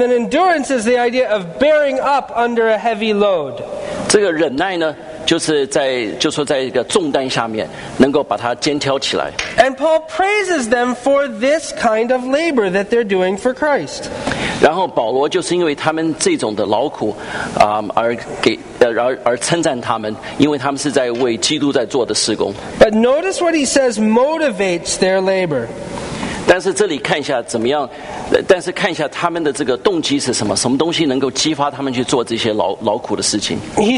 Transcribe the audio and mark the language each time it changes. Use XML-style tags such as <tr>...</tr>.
<en>then endurance is the idea of bearing up under a heavy load.</en> <zh>这个忍耐呢，就是在重担下面能够把它肩挑起来。</zh> <en>And Paul praises them for this kind of labor that they're doing for Christ.</en> <zh>然后保罗就是因为他们这种的劳苦，而称赞他们，因为他们是在为基督在做的事工。</zh> <en>But notice what he says motivates their labor.</en> <zh>但是这里看一下怎么样，但是看一下他们的这个动机是什么，什么东西能够激发他们去做这些劳苦的事情。</zh> <en>He</en>